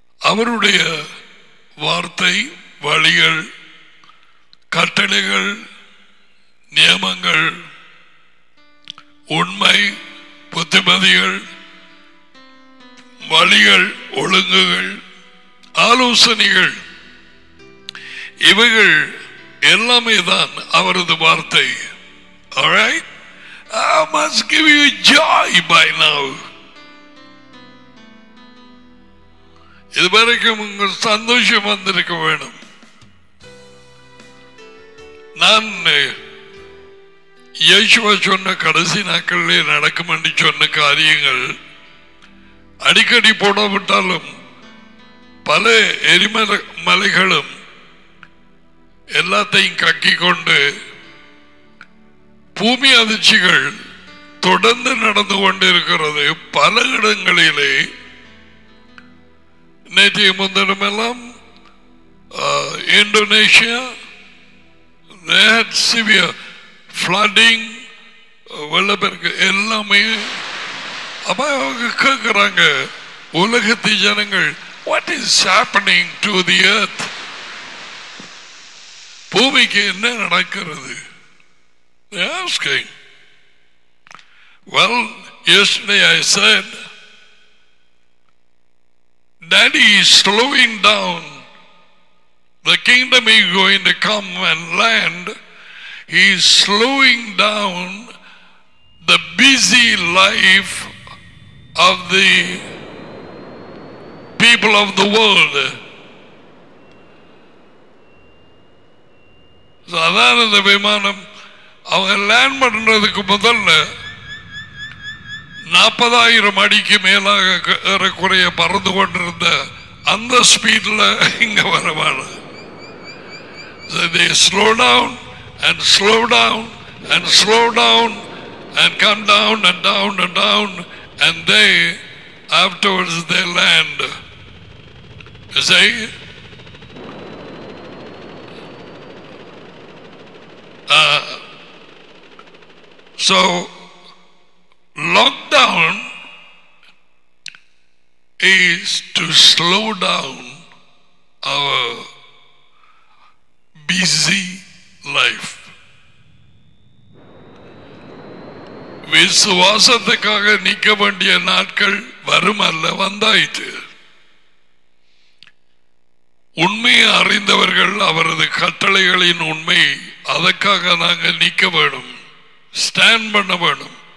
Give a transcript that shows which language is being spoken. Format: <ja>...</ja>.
<ta>அவருடைய வார்த்தை, வழிகள், கட்டளைகள், நியமங்கள், உண்மை, புத்திமதிகள், வழிகள், ஒழுங்குகள், ஆலோசனைகள், இவைகள் எல்லாமே தான் அவரது வார்த்தை.</ta> <en>Alright? I must give you joy by now.</en> <ta>இதுவரைக்கும் உங்கள் சந்தோஷம் வந்திருக்க வேண்டும். நான் யேசுவா சொன்ன கடைசி நாட்களிலே நடக்கும் என்று சொன்ன காரியங்கள் அடிக்கடி போடப்பட்டாலும் பல எரிமலைகளும் எல்லாத்தையும் கக்கி கொண்டு பூமி அதிர்ச்சிகள் தொடர்ந்து நடந்து கொண்டிருக்கிறது. பல இடங்களிலே நேற்று முந்தினம் எல்லாம் இந்தோனேஷியா சிவியர் ஃப்ளட்டிங், வெள்ளப்பெருக்கு எல்லாமே. அப்ப அவங்க கேட்கிறாங்க, உலகத்து ஜனங்கள்,</ta> <en>what is happening to the earth,</en> <ta>பூமிக்கு என்ன நடக்கிறது?</ta> <en>They are asking. Well, yesterday I said, Daddy is slowing down. The kingdom is going to come and land. He is slowing down the busy life of the people of the world.</en> <ta>அதான் இந்த விமானம் அவங்க land பண்றதுக்கு முதல்ல 40,000 அடிக்கு மேலாக ஏறக்குறைய பறந்து கொண்டிருந்த அந்த ஸ்பீட்ல இங்க வரவாங்க.</ta> <en>So they slow down and slow down and slow down and come down and down and down and they afterwards they land. You see? So lockdown is to slow down our busy life.</en> <ta>விசுவாசத்துக்காக நிக்க வேண்டிய நாட்கள் வருமல்ல வந்தாயிற்று. உண்மையை அறிந்தவர்கள் அவரது கட்டளைகளின் உண்மை, அதற்காக நாங்கள் நிக்க வேண்டும், ஸ்டாண்ட் பண்ண வேண்டும்.</ta>